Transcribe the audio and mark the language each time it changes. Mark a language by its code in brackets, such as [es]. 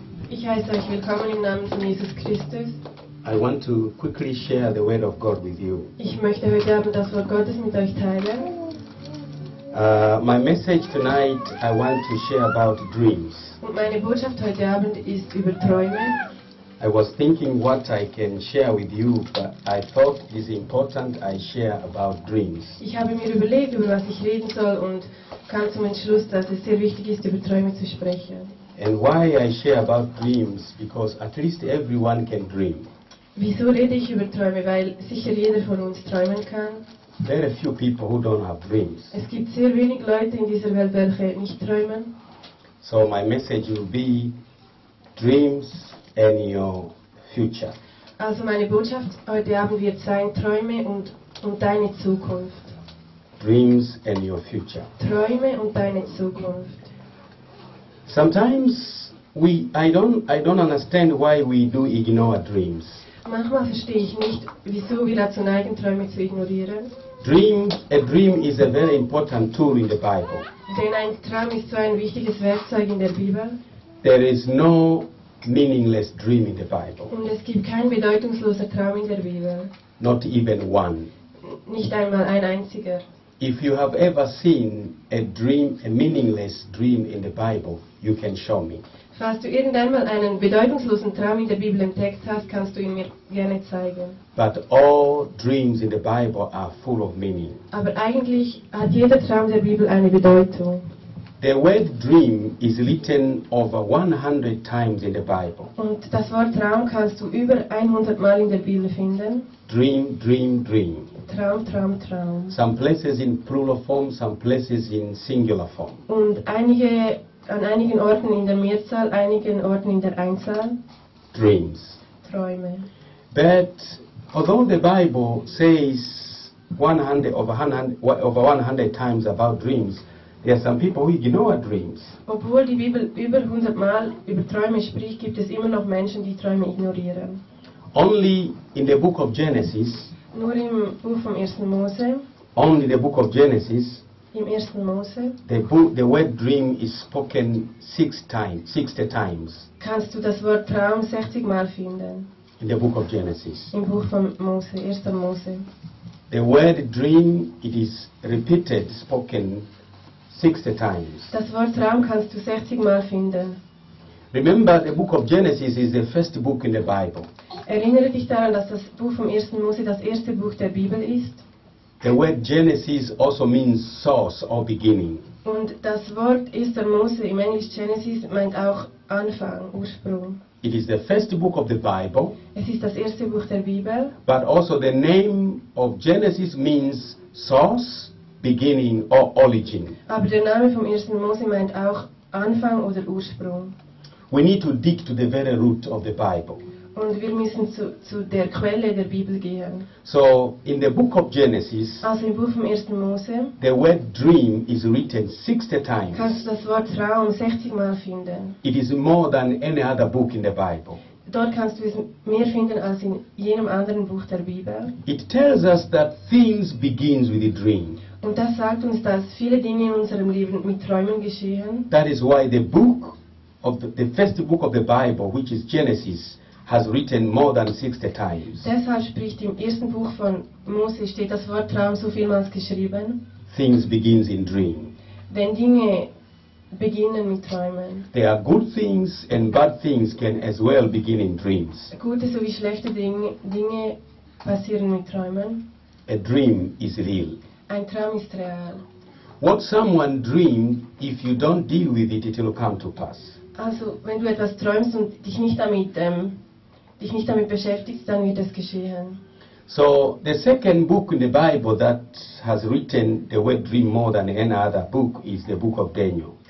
[de] Ich heiße euch willkommen im Namen von Jesus Christus. [en] I want to quickly share the word of God with you. [de] Ich möchte heute Abend das Wort Gottes mit euch teilen. [en] My message tonight, I want to share about dreams. [de] Und meine Botschaft heute Abend ist über Träume. [en] I was thinking what I can share with you, but I thought it is important I share about dreams. [de] Ich habe mir überlegt, über was ich reden soll und kam zum Entschluss, dass es sehr wichtig ist, über Träume zu sprechen. [en] And why I share about dreams, because at least everyone can dream. [de] Wieso rede ich über Träume? Weil sicher jeder von uns träumen kann. [en] There are few people who don't have dreams. [de] Es gibt sehr wenig Leute in dieser Welt, welche nicht träumen. [en] So my message will be dreams and your future. [de] Also meine Botschaft heute Abend wird sein, Träume und deine Zukunft. [en] Dreams and your future. [de] Träume und deine Zukunft. [en] Sometimes I don't understand why we do ignore dreams. [de] Manchmal verstehe ich nicht, wieso wir dazu neigen, Träume zu ignorieren. [en] A dream is a very important tool in the Bible. [de] Denn ein Traum ist so ein wichtiges Werkzeug in der Bibel. [en] There is no meaningless dream in the Bible. [de] Und es gibt kein bedeutungsloser Traum in der Bibel. [en] Not even one. [de] Nicht einmal ein einziger. [en] If you have ever seen a dream, a meaningless dream in the Bible, you can show me. [de] Falls du irgendeinmal einen bedeutungslosen Traum in der Bibel entdeckt hast, kannst du ihn mir gerne zeigen. [en] But all dreams in the Bible are full of meaning. [de] Aber eigentlich hat jeder Traum der Bibel eine Bedeutung. [en] The word dream is written over 100 times in the Bible. [de] Und das Wort Traum kannst du über 100 Mal in der Bibel finden. [en] Dream, dream, dream. [de] Traum, Traum, Traum. [en] Some places in plural form, some places in singular form. [de] Und an einigen Orten in der Mehrzahl, einigen Orten in der Einzahl. [en] Dreams. [de] Träume. [en] But although the Bible says 100 times about dreams, there are some people who ignore dreams. [de] Obwohl die Bibel über 100 Mal über Träume spricht, gibt es immer noch Menschen, die Träume ignorieren. [en] Only in the book of Genesis. [de] Nur im Buch vom 1. Mose. [en] Only the book of Genesis. [de] Im 1. Mose. [en] The word dream is spoken 60 times. [de] Kannst du das Wort Traum 60 Mal finden? [en] In the book of Genesis. [de] Im Buch vom Mose, 1. Mose. [en] The word dream, it is repeated, spoken 60 times. [de] Das Wort Traum kannst du 60 Mal finden. [en] Remember, the book of Genesis is the first book in the Bible. [de] Erinnere dich daran, dass das Buch vom 1. Mose das erste Buch der Bibel ist. [en] The word Genesis also means source or beginning. [de] Und das Wort 1. Mose im Englisch Genesis meint auch Anfang, Ursprung. [en] It is the first book of the Bible. [de] Es ist das erste Buch der Bibel. [en] But also the name of Genesis means source, beginning or origin. [de] Aber der Name vom 1. Mose meint auch Anfang oder Ursprung. [en] We need to dig to the very root of the Bible. [de] Und wir müssen zu der Quelle der Bibel gehen. [en] So in the book of Genesis, [de] also im Buch vom 1. Mose, [en] the word dream is written 60 times. [de] Kannst du das Wort Traum 60 Mal finden. [en] It is more than any other book in the Bible. [de] Dort kannst du es mehr finden als in jenem anderen Buch der Bibel. [en] It tells us that things begins with a dream. [de] Und das sagt uns, dass viele Dinge in unserem Leben mit Träumen geschehen. [en] That is why the book of the first book of the Bible, which is Genesis, has written more than 60 times. [de] Deshalb spricht im ersten Buch von Mose steht das Wort Traum so vielmals geschrieben. [en] Things begins in dream. [de] Wenn Dinge beginnen mit Träumen. [en] There are good things and bad things can as well begin in dreams. [de] Gute sowie schlechte Dinge passieren mit Träumen. [en] A dream is real. [de] Ein Traum ist real. [en] What someone dreamed, if you don't deal with it, it will come to pass. [de] Also, wenn du etwas träumst und dich nicht damit beschäftigst, dann wird es geschehen. [en] So, the second book in the Bible that has written the word dream more than any other book is the book of Daniel.